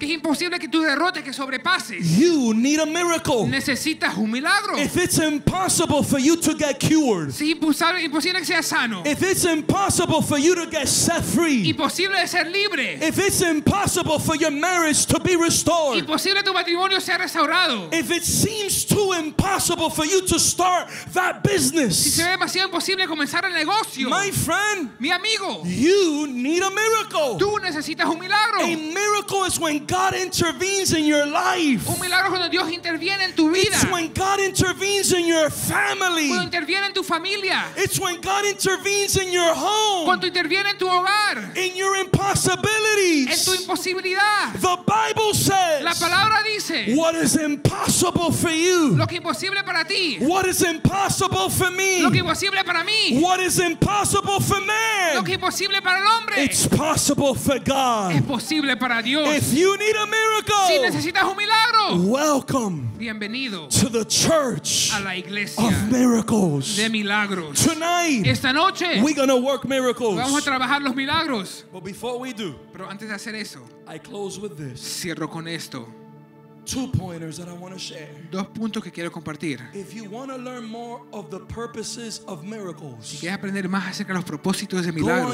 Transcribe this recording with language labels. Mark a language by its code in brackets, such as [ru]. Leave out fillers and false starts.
[es] ¿Qué es imposible que tú derrotes, que sobrepases? [en] You need a miracle. [es] Necesitas un milagro. [en] If it's impossible for you to get cured. [es] Si es imposible que seas sano. [en] If it's impossible for you to get set free. [es] Imposible de ser libre. [en] If it's impossible for your marriage to be restored. [es] Imposible tu matrimonio sea restaurado. [en] If it seems too impossible for you to start that business. [es] Si se ve demasiado imposible comenzar el negocio. [en] My friend. [es] Mi amigo. [en] You need a miracle. [es] Tú necesitas un milagro. [en] A miracle is when God intervenes in your life. [es] Un milagro cuando Dios interviene en tu vida. [en] It's when God intervenes in your family. [es] Cuando interviene en tu familia. [en] It's when God intervenes in your home. [es] Cuando interviene en tu hogar. [en] In your impossibilities. [es] En tu imposibilidad. [en] The Bible says. [es] La palabra dice. [en] What is impossible for you? [es] Lo que imposible para ti. [en] What is impossible for me? [es] Lo que imposible para mí. [en] What is impossible for man? [es] Lo que imposible para el hombre. [en] It's possible for God. [es] Es posible para Dios. [en] If you need a miracle. [es] Si necesitas un milagro. [en] Welcome. [es] Bienvenido. [en] To the church. [es] A la iglesia. [en] Of miracles. [es] De milagros. [en] Tonight. [es] Esta noche. [en] We're gonna work miracles. [es] Vamos a trabajar los milagros. [en] But before we do. [es] Pero antes de hacer eso. [en] I close with this. [es] Cierro con esto. [en] Two pointers that I want to share. [es] Dos puntos que quiero compartir. [en] If you want to learn more of the purposes of miracles. [es] Si quieres aprender más acerca de los propósitos de milagros.